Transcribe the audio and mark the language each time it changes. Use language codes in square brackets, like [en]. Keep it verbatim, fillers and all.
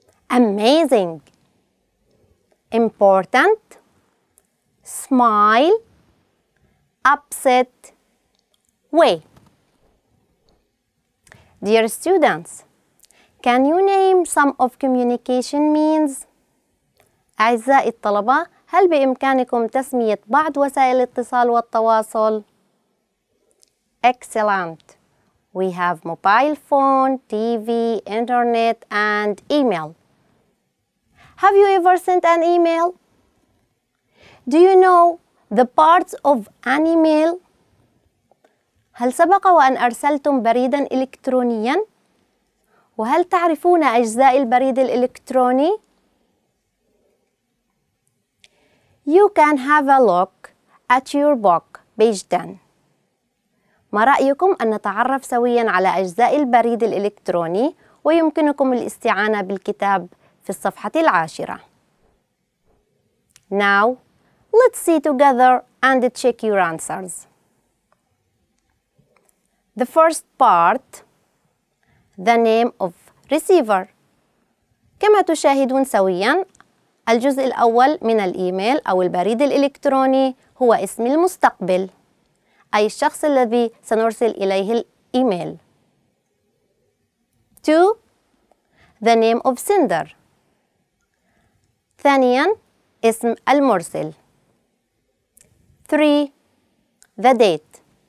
[en] Amazing, important, smile, upset, way. Dear students, can you name some of communication means? [ar] أعزائي الطلبة، هل بإمكانكم تسمية بعض وسائل الاتصال والتواصل؟ [en] Excellent. We have mobile phone, T V, internet, and email. Have you ever sent an email? Do you know the parts of an email? [ar] هل سبق وأن أرسلتم بريداً إلكترونياً؟ وهل تعرفون أجزاء البريد الإلكتروني؟ [en] You can have a look at your book, page ten. [ar] ما رأيكم أن نتعرف سوياً على أجزاء البريد الإلكتروني، ويمكنكم الاستعانة بالكتاب في الصفحة العاشرة. [en] Now, let's see together and check your answers. The first part, the name of receiver. [ar] كما تشاهدون سوياً، الجزء الأول من الإيميل أو البريد الإلكتروني هو اسم المستقبل، أي الشخص الذي سنرسل إليه الإيميل. [en] two. The name of sender. [ar] ثانياً، اسم المرسل. [en] three. The date.